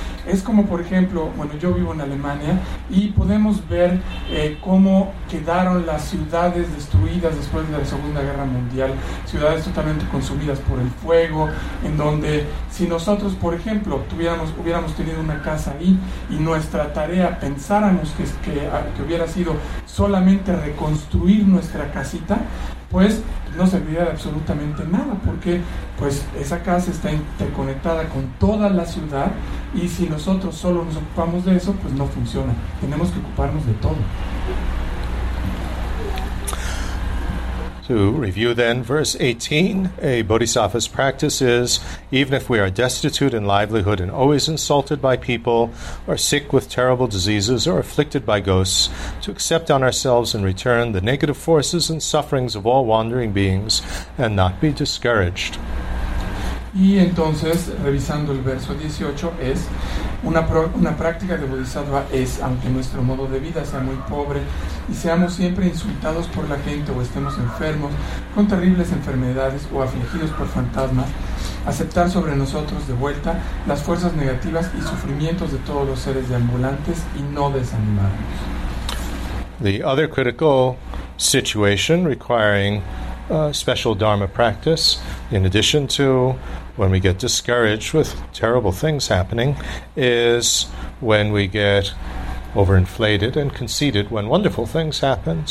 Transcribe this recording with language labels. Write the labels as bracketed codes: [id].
[es] Es como, por ejemplo, bueno, yo vivo en Alemania y podemos ver cómo quedaron las ciudades destruidas después de la Segunda Guerra Mundial, ciudades totalmente consumidas por el fuego, en donde si nosotros, por ejemplo, hubiéramos tenido una casa ahí y nuestra tarea pensáramos que hubiera sido solamente reconstruir nuestra casita, pues no serviría de absolutamente nada, porque pues esa casa está interconectada con toda la ciudad, y si nosotros solo nos ocupamos de eso, pues no funciona. Tenemos que ocuparnos de todo. [en] To review then, verse 18, a bodhisattva's practice is, even if we are destitute in livelihood and always insulted by people, or sick with terrible diseases, or afflicted by ghosts, to accept on ourselves in return the negative forces and sufferings of all wandering beings, and not be discouraged. [es] Y entonces, revisando el verso 18, es una práctica de bodhisattva es, aunque nuestro modo de vida sea muy pobre y seamos siempre insultados por la gente o estemos enfermos con terribles enfermedades o afligidos por fantasmas, aceptar sobre nosotros de vuelta las fuerzas negativas y sufrimientos de todos los seres deambulantes y no desanimarnos. [en] The other critical situation requiring special dharma practice, in addition to when we get discouraged with terrible things happening, is when we get overinflated and conceited when wonderful things happen.